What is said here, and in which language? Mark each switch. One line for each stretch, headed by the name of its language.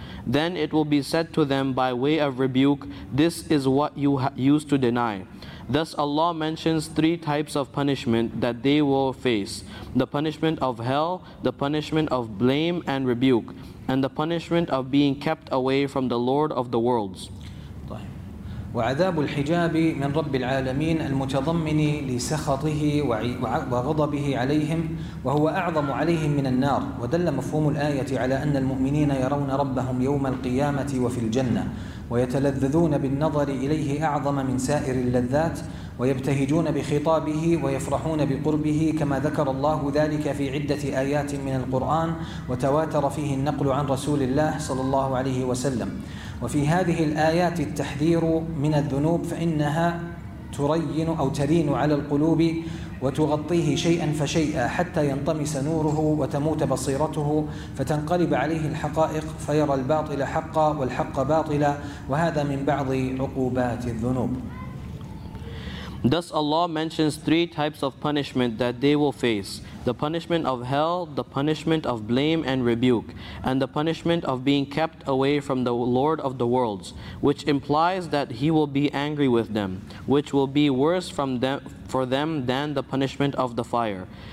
English: Then it will be said to them by way of rebuke, "This is what you used to deny." Thus Allah mentions three types of punishment that they will face: the punishment of hell, the punishment of blame and rebuke, and the punishment of being kept away from the Lord of the worlds.
Arabic: وعذاب الحجاب من رب العالمين المتضمن لسخطه وغضبه عليهم وهو أعظم عليهم من النار ودل مفهوم الآية على أن المؤمنين يرون ربهم يوم القيامة وفي الجنة ويتلذذون بالنظر إليه أعظم من سائر اللذات ويبتهجون بخطابه ويفرحون بقربه كما ذكر الله ذلك في عدة آيات من القرآن وتواتر فيه النقل عن رسول الله صلى الله عليه وسلم وفي هذه الآيات التحذير من الذنوب فإنها ترين أو ترين على القلوب وتغطيه شيئا فشيئا حتى ينطمس نوره وتموت بصيرته فتنقلب عليه الحقائق فيرى الباطل حقا والحق باطلا وهذا من بعض عقوبات الذنوب.
English: Thus Allah mentions three types of punishment that they will face: the punishment of hell, the punishment of blame and rebuke, and the punishment of being kept away from the Lord of the worlds, which implies that he will be angry with them, which will be worse for them than the punishment of the fire.